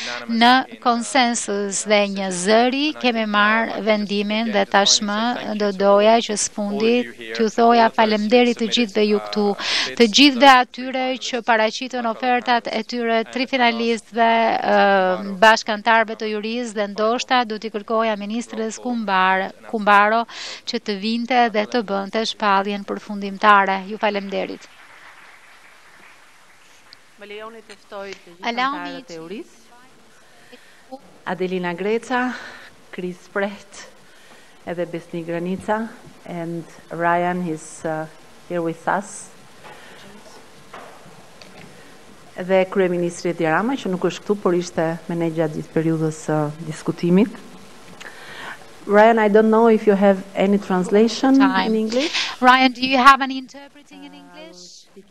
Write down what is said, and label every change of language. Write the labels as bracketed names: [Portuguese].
[Albanian] në konsensus dhe një zëri, kemi marrë vendimin dhe tashmë do doja që së fundi t'ju thoja faleminderit të gjithëve ju këtu, të gjithëve atyre që paraqiten ofertat e tyre tri finalistëve bashkantarëve të jurisë dhe ndoshta do t'i kërkoja ministres Kumbaro që të vinte dhe të bënte shpalljen përfundimtare. Ju faleminderit. Më lejoni të ftoj të gjithë teorisë. [English] Adelina Greca, Chris Pret, edhe Besni Granica, and Ryan is here with us. [Albanian] Dhe kryeministri Edi Rama, që nuk është këtu, por ishte me ne gjatë gjithë periudhës diskutimit. [English] Ryan, I don't know if you have any translation in English. Ryan, do you have any interpreting in English?